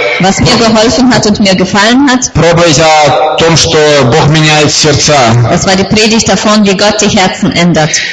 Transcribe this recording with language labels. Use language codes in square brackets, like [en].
[de] was mir geholfen hat und mir gefallen hat, [ru] проповедь о том, что Бог меняет сердца. [de] Das war die Predigt davon, wie Gott die Herzen ändert.